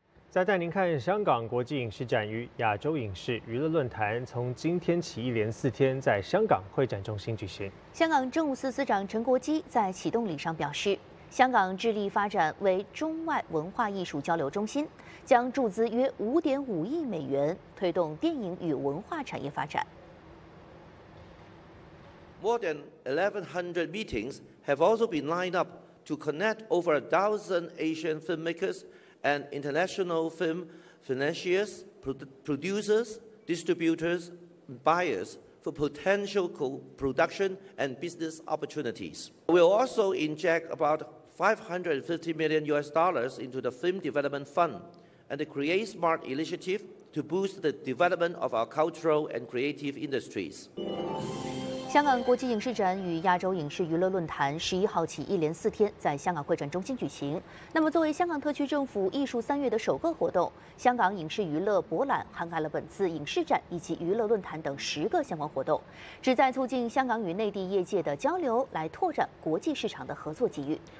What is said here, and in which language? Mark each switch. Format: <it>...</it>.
<zh>再带您看香港国际影视展与亚洲影视娱乐论坛，从今天起一连四天在香港会展中心举行。香港政务司司长陈国基在启动礼上表示，香港致力发展为中外文化艺术交流中心，将注资约5.5亿美元，推动电影与文化产业发展。</zh> <en>More than 1,100 meetings have also been lined up to connect over 1,000 Asian filmmakers. And international film financiers, producers, distributors, buyers for potential co-production and business opportunities. We'll also inject about $550 million into the Film Development Fund and create smart initiative to boost the development of our cultural and creative industries.</en> <zh>香港国际影视展与亚洲影视娱乐论坛11号起一连四天在香港会展中心举行。那么作为香港特区政府艺术三月的首个活动，香港影视娱乐博览涵盖了本次影视展以及娱乐论坛等10个相关活动，旨在促进香港与内地业界的交流，来拓展国际市场的合作机遇。</zh>